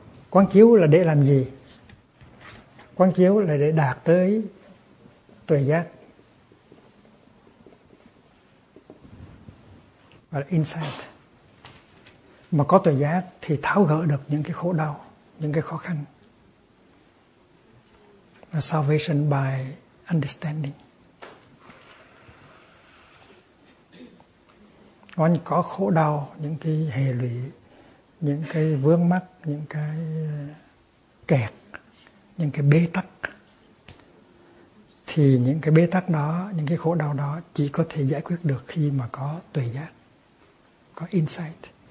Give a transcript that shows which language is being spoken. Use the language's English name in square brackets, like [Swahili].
[Vietnamese] Quán chiếu là để làm gì? Quán chiếu là để đạt tới tuệ giác và insight. Mà có tuệ giác thì tháo gỡ được những cái khổ đau, những cái khó khăn. [English] A salvation by understanding. [Vietnamese] Còn có khổ đau, những cái hệ lụy, những cái vướng mắc, những cái kẹt, những cái bế tắc. Thì những cái bế tắc đó, những cái khổ đau đó chỉ có thể giải quyết được khi mà có tuệ giác, có insight.